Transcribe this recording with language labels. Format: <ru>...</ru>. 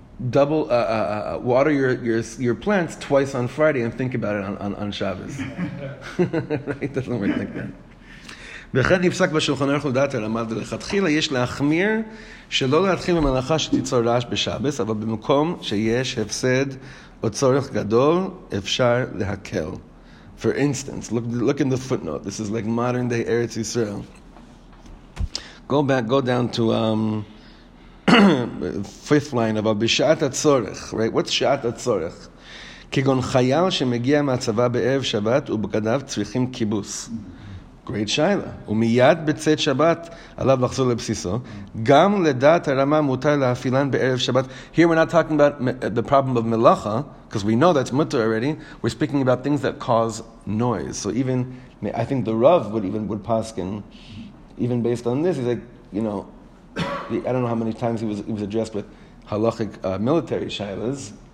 <en>double water your plants twice on Friday and think about it on Shabbos. Right? Doesn't work like that.</en> <he>וכן יפסק בשולחן ערך לדעת על המדל לכתחילה, יש להחמיר שלא להתחיל במלאכה שתיצור רעש בשבס, אבל במקום שיש הפסד או צורך גדול, אפשר להקל.</he> <en>For instance, look in the footnote. This is like modern day Eretz Yisrael. Go down to fifth line about בשעת הצורך, right? What's שעת הצורך?</en> <he>כגון חייל שמגיע מהצבא בערב שבת ובגדיו צריכים כיבוס.</he> <en>Great Shaila.</en> <he>ומיד בצאת שבת עליו לחזור לבסיסו. גם לדעת הרמה מותר להפעילן בערב שבת.</he> <en>Here we're not talking about the problem of melacha, because we know that's mutter already. We're speaking about things that cause noise. So even, I think the Rav would paskin, even based on this, he's like, you know, I don't know how many times he was addressed with halachic military Shailas.</en>